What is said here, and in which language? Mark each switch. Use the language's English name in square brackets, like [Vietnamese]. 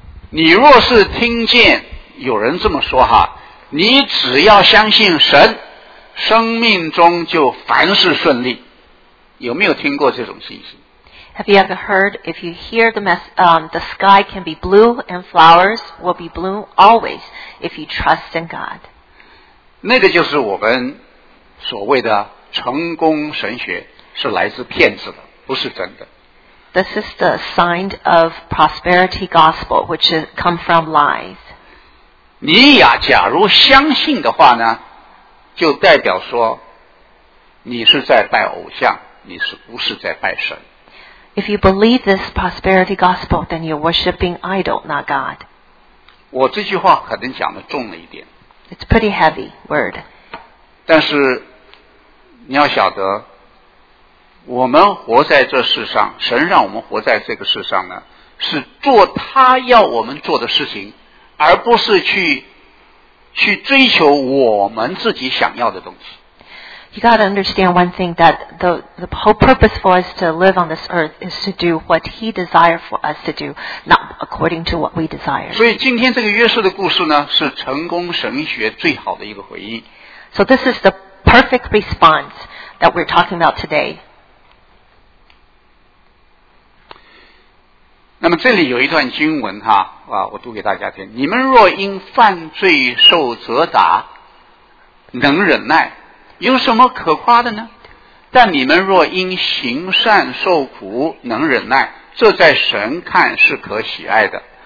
[Chinese] 你若是听见有人这么说哈，你只要相信神，生命中就凡事顺利。有没有听过这种信息？ [English] Have you ever heard if you hear the sky can be blue and flowers will be blue always if you trust in God? [Chinese] 那个就是我们所谓的成功神学，是来自骗子的，不是真的。 [English] This is the sign of prosperity gospel, which comes from lies. [Chinese] 尼雅假如相信的话呢，就代表说你是在拜偶像，你是不是在拜神。 [English] If you believe this prosperity gospel, then you're worshipping idol, not God. [Chinese] 我这句话可能讲得重了一点。 [English] It's a pretty heavy word. [Chinese] 但是你要晓得，我们活在这世上，神让我们活在这个世上呢，是做他要我们做的事情，而不是去追求我们自己想要的东西。 [English] You got to understand one thing, that the whole purpose for us to live on this earth is to do what He desires for us to do, not according to what we desire. [Chinese] 所以今天这个约瑟的故事呢，是成功神学最好的一个回应。 [English] So this is the perfect response that we're talking about today. [Chinese] 那么这里有一段经文哈，啊，我读给大家听。你们若因犯罪受责打，能忍耐。有什么可夸的呢？但你们若因行善受苦能忍耐，这在神看是可喜爱的。